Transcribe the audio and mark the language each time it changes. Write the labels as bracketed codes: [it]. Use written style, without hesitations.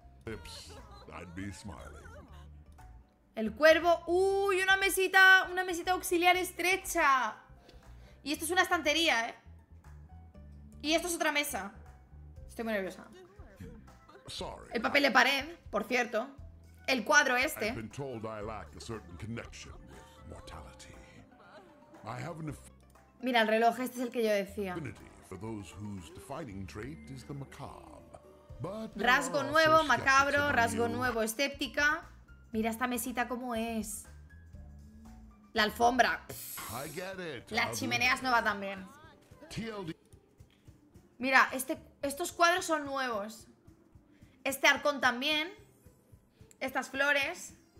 [en] I'd be smiling. [es] El cuervo. ¡Uy! Una mesita auxiliar estrecha. Y esto es una estantería, ¿eh? Y esto es otra mesa. Estoy muy nerviosa. [en] Sorry, [es] el papel de pared, por cierto. El cuadro este. [en] I've been told I lack a certain connection with mortality. I have an [es] Mira, el reloj, este es el que yo decía. [en] Affinity for those whose defining trait is the macabre. [es] Rasgo nuevo, macabro, rasgo nuevo, escéptica. Mira esta mesita cómo es. La alfombra. La chimenea es nueva también. Mira, estos cuadros son nuevos. Este arcón también. Estas flores.